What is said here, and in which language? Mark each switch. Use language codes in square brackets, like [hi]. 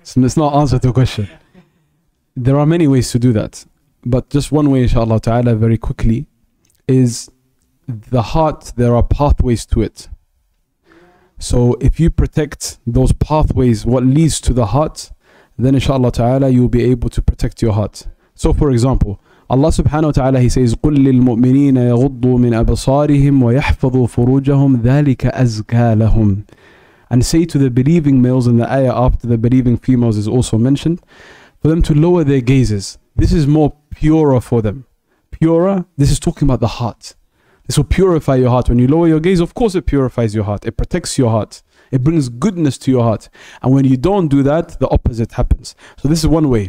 [en] It's not answer to a question. There are many ways to do that. But just one way, inshallah ta'ala, very quickly, is the heart, there are pathways to it. So if you protect those pathways, what leads to the heart, then inshallah ta'ala, you'll be able to protect your heart. So for example, [ar] Allah subhanahu wa ta'ala, [en] he says, [ar] قُلْ لِلْمُؤْمِنِينَ يَغُضُّوا مِنْ أَبْصَارِهِمْ وَيَحْفَظُوا فُرُوجَهُمْ ذَلِكَ أَزْكَى لَهُمْ. [en] And say to the believing males, in the ayah after the believing females is also mentioned, for them to lower their gazes. This is more purer for them. Purer, this is talking about the heart. This will purify your heart. When you lower your gaze, of course it purifies your heart. It protects your heart. It brings goodness to your heart. And when you don't do that, the opposite happens. So this is one way.